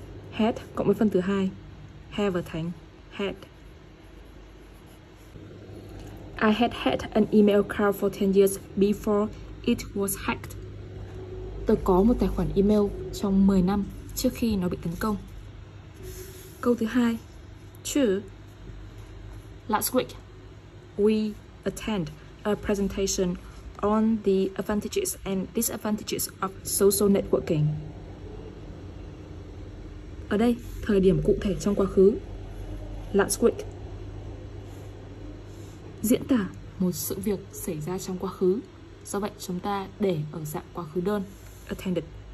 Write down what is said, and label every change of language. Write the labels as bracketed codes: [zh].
[vi] Had cộng với phân từ 2. Have thành had. [en] I had had an email account for 10 years before it was hacked. [vi] Tôi có một tài khoản email trong 10 năm trước khi nó bị tấn công. Câu thứ 2. 2. [en] Last week, we attend a presentation on the advantages and disadvantages of social networking. [vi] Ở đây, thời điểm cụ thể trong quá khứ. [en] Last week. [vi] Diễn tả một sự việc xảy ra trong quá khứ. Do vậy, chúng ta để ở dạng quá khứ đơn. [en] Attended.